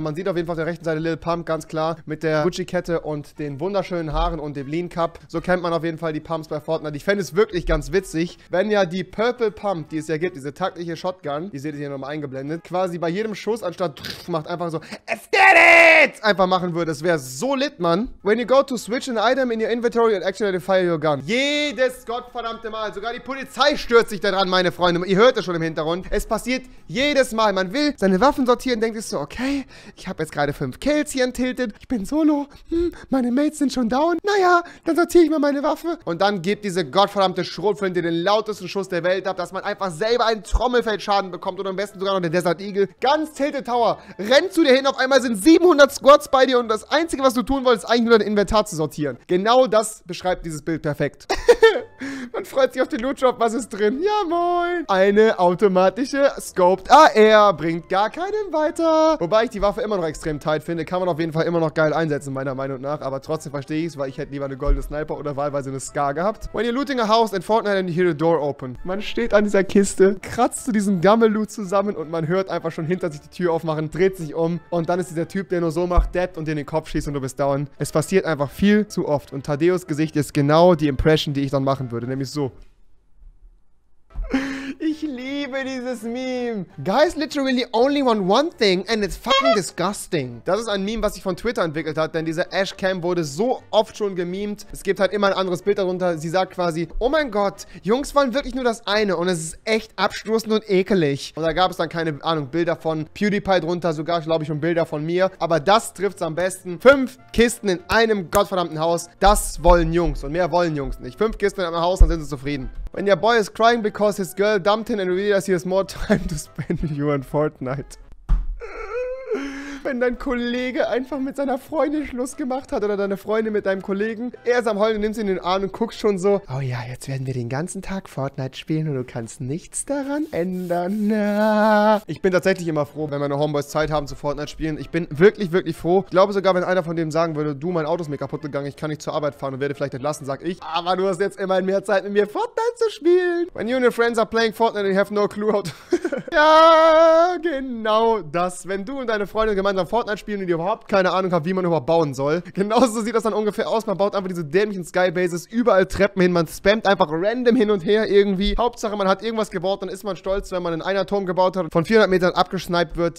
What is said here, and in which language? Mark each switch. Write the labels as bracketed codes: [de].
[de] Man sieht auf jeden Fall auf der rechten Seite Lil Pump, ganz klar. Mit der Gucci-Kette und den wunderschönen Haaren und dem Lean Cup. So kennt man auf jeden Fall die Pumps bei Fortnite. Ich fände es wirklich ganz witzig, wenn ja die Purple Pump, die es ja gibt, diese taktische Shotgun, die seht ihr hier nochmal eingeblendet, quasi bei jedem Schuss anstatt pff, macht einfach so, es geht jetzt, einfach machen würde. Es wäre so lit, Mann. [en] When you go to switch an item in your inventory and actually fire your gun. [de] Jedes gottverdammte Mal. Sogar die Polizei stürzt sich da dran, meine Freunde. Ihr hört es schon im Hintergrund. Es passiert jedes Mal. Man will seine Waffen sortieren, denkt sich so, okay, ich habe jetzt gerade 5 Kills hier enttiltet. Ich bin solo. Meine Mates sind schon down. Naja, dann sortiere ich mir meine Waffe. Und dann gibt diese gottverdammte Schrotflinte den lautesten Schuss der Welt ab, dass man einfach selber einen Trommelfeldschaden bekommt oder am besten sogar noch den Desert Eagle. Ganz Tilted Tower. Rennt zu dir hin. Auf einmal sind 700 Squads bei dir und das Einzige, was du tun wolltest, ist eigentlich nur dein Inventar zu sortieren. Genau das beschreibt dieses Bild perfekt. Man freut sich auf den Loot-Drop. Was ist drin? Ja, moin. Eine automatische Scoped AR bringt gar keinen weiter. Wobei ich die Waffe immer noch extrem tight finde, kann man auf jeden Fall immer noch geil einsetzen, meiner Meinung nach. Aber trotzdem verstehe ich es, weil ich hätte lieber eine goldene Sniper oder wahlweise eine Scar gehabt. [en] When you're looting a house in Fortnite and you hear the door open. [de] Man steht an dieser Kiste, kratzt zu diesem Gammel-Loot zusammen und man hört einfach schon hinter sich die Tür aufmachen, dreht sich um und dann ist dieser Typ, der nur so macht, dead und dir in den Kopf schießt und du bist down. Es passiert einfach viel zu oft und Tadeos Gesicht ist genau die Impression, die ich dann machen würde, nämlich so. Ich liebe dieses Meme. [en] Guys literally only want one thing and it's fucking disgusting. [de] Das ist ein Meme, was sich von Twitter entwickelt hat, denn diese Ashcam wurde so oft schon gememt. Es gibt halt immer ein anderes Bild darunter. Sie sagt quasi, oh mein Gott, Jungs wollen wirklich nur das eine und es ist echt abstoßend und ekelig. Und da gab es dann, keine Ahnung, Bilder von PewDiePie drunter, sogar, glaube ich, schon Bilder von mir. Aber das trifft es am besten. 5 Kisten in einem gottverdammten Haus, das wollen Jungs und mehr wollen Jungs nicht. 5 Kisten in einem Haus, dann sind sie zufrieden. [en] When your boy is crying because his girl dumped him and realized he has more time to spend with you on Fortnite. [de] Wenn dein Kollege einfach mit seiner Freundin Schluss gemacht hat oder deine Freundin mit deinem Kollegen. Er ist am Heulen, nimmst ihn in den Arm und guckst schon so. Oh ja, jetzt werden wir den ganzen Tag Fortnite spielen und du kannst nichts daran ändern. Ich bin tatsächlich immer froh, wenn meine Homeboys Zeit haben zu Fortnite spielen. Ich bin wirklich, wirklich froh. Ich glaube sogar, wenn einer von denen sagen würde, du, mein Auto ist mir kaputt gegangen, ich kann nicht zur Arbeit fahren und werde vielleicht entlassen, sag ich. Aber du hast jetzt immer mehr Zeit, mit mir Fortnite zu spielen. [en] When you and your friends are playing Fortnite, they have no clue how to... [de] Ja, genau das. Wenn du und deine Freundin gemeinsam Fortnite spielen und die überhaupt keine Ahnung haben, wie man überhaupt bauen soll. Genauso sieht das dann ungefähr aus. Man baut einfach diese dämlichen Skybases, überall Treppen hin. Man spammt einfach random hin und her irgendwie. Hauptsache, man hat irgendwas gebaut, dann ist man stolz, wenn man in einer Turm gebaut hat und von 400 Metern abgeschnippt wird.